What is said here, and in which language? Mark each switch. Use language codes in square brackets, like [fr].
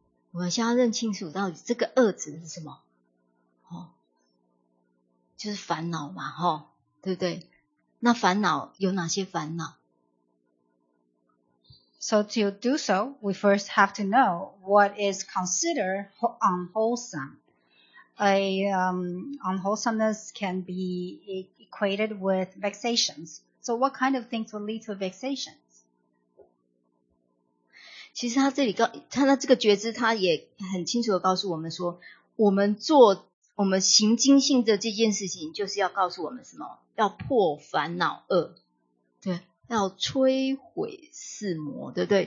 [zh] 我们先要认清楚到底这个恶指的是什么，哦，就是烦恼嘛，哦，对不对？那烦恼有哪些烦恼 [en] ？So to do so, we first have to know what is considered unwholesome. Unwholesomeness can be equated with vexations. So what kind of things will lead to vexation? [zh] 其实他这里告他那这个觉知，他也很清楚的告诉我们说，我们做我们行经性的这件事情，就是要告诉我们什么？要破烦恼恶，对，要摧毁四魔，对不对？